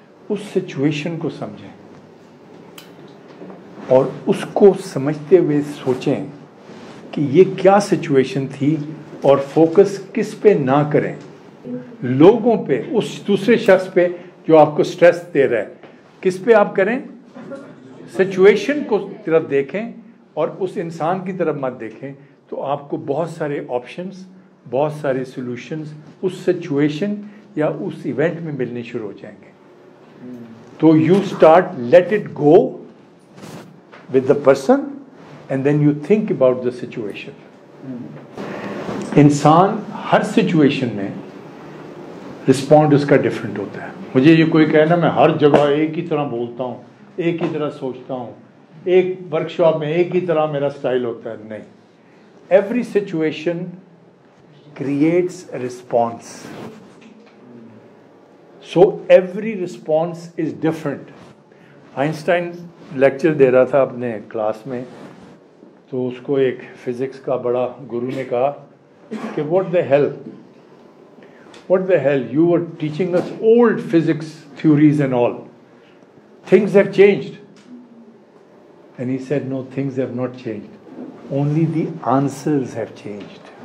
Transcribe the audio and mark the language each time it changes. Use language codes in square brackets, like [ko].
[ur] اس situation کو سمجھیں اور اس کو سمجھتے ہوئے سوچیں کہ یہ کیا سچویشن تھی, اور فوکس کس پہ نہ کریں, لوگوں پہ, اس دوسرے شخص پہ جو آپ کو سٹریس دے رہا ہے, کس پہ آپ کریں, سچویشن کو طرف دیکھیں اور اس انسان کی طرف مت دیکھیں, تو آپ کو بہت سارے آپشنز, بہت سارے سولوشنز اس سچویشن یا اس ایونٹ میں ملنے شروع ہو جائیں گے. [en] تو you start let it go with the person and then you think about the situation. [ur] انسان ہر سچویشن میں رسپونڈ اس کا ڈفرینٹ ہوتا ہے. مجھے یہ کوئی کہنا میں ہر جگہ ایک ہی طرح بولتا ہوں, ایک ہی طرح سوچتا ہوں, ایک ورک شاپ میں ایک ہی طرح میرا اسٹائل ہوتا ہے, نہیں, [en] Every situation creates a response, so every response is different. [ur] Einstein lecture دے رہا تھا اپنے کلاس میں, تو اس کو ایک فزکس کا بڑا گرو نے کہا کہ [en] What the hell, you were teaching us old physics theories and all. Things have changed. And he said, no, things have not changed. Only the answers have changed.